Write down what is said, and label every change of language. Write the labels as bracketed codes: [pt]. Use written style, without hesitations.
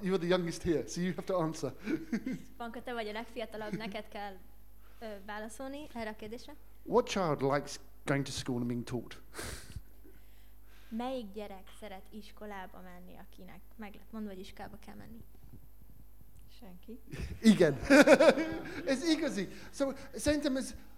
[en] You are the youngest here, so you have to answer. [hu] Ponka, te vagy a legfiatalabb. Neked kell válaszolni erre a kérdésre. [en] What child likes going to school and being taught? [hu] Melyik gyerek szeret iskolába menni, akinek meg lehet mondva, hogy iskolába kell menni? Senki. Igen. Ez igazi. So, Szerintem ez